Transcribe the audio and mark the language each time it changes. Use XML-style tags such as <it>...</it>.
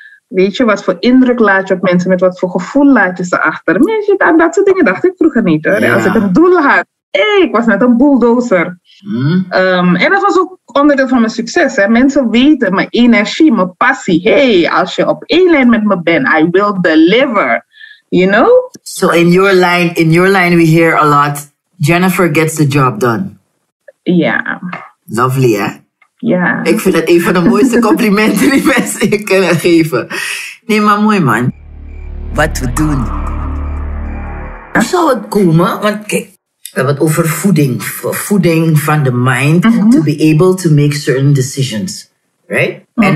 <nl>Weet je, wat voor indruk laat je op mensen, met wat voor gevoel laat je ze achter? Mensen, aan dat soort dingen dacht ik vroeger niet, hoor. Ja. Als ik een doel had, ik was net een bulldozer. Hmm. En dat was ook onderdeel van mijn succes. Hè? Mensen weten mijn energie, mijn passie. Hey, als je op één lijn met me bent,</nl> <en>I will deliver. You know? So in your line we hear a lot, Jennifer gets the job done.</en> <nl>Ja.</nl> <en>Yeah. Lovely, hè?</en> <nl>Ja. Ik vind dat een van de mooiste complimenten die mensen je kunnen geven. Nee, maar mooi, man. Wat we doen. Hoe zou het komen? Want kijk. We hebben het over voeding. Voeding van de</nl> <en>mind. Mm-hmm. To be able to make certain decisions. Right? Mm-hmm.</en>